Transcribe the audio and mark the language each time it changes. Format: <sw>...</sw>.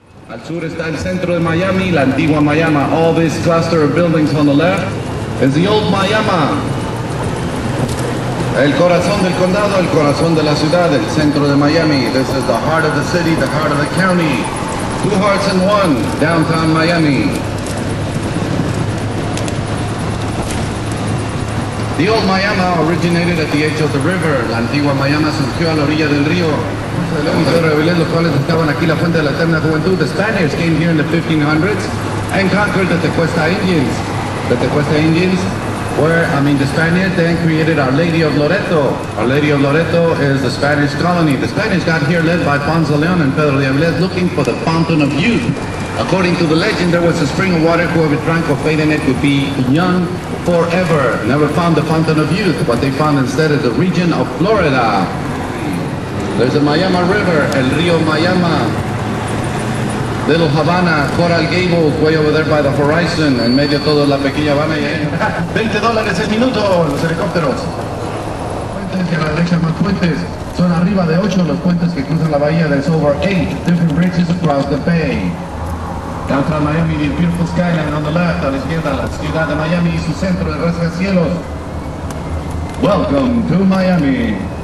<es>Al sur está el centro de Miami, la antigua Miami.</es> <en>All this cluster of buildings on the left is the old Miami.</en> <es>El corazón del condado, el corazón de la ciudad, el centro de Miami.</es> <en>This is the heart of the city, the heart of the county. Two hearts in one, downtown Miami. The old Miami originated at the edge of the river.</en> <es>La antigua Miami surgió a la orilla del río. Los cuales estaban aquí la fuente de la eterna juventud.</es> <en>The Spaniards came here in the 1500s and conquered the Tecuesta Indians. The Tecuesta Indians the Spaniards then created Our Lady of Loreto. Our Lady of Loreto is the Spanish colony. The Spanish got here led by Ponce de León and Pedro de Avilés looking for the fountain of youth. According to the legend, there was a spring of water. Whoever drank or bathed in it would be young forever. Never found the fountain of youth. What they found instead is the region of Florida. There's the Miami River, el río Miami. Little Havana, Coral Gables, way over there by the horizon,</en> <es>en medio de toda la pequeña Havana. $20 el minuto, los helicópteros. Puentes de la derecha, más puentes. Son arriba de 8 los puentes que cruzan la bahía.</es> <en>There's over 8 different bridges across the bay. Downtown Miami, the beautiful skyline on the left,</en> <es>a la izquierda, la ciudad de Miami y su centro de rascacielos.</es> <en>Welcome to Miami.</en>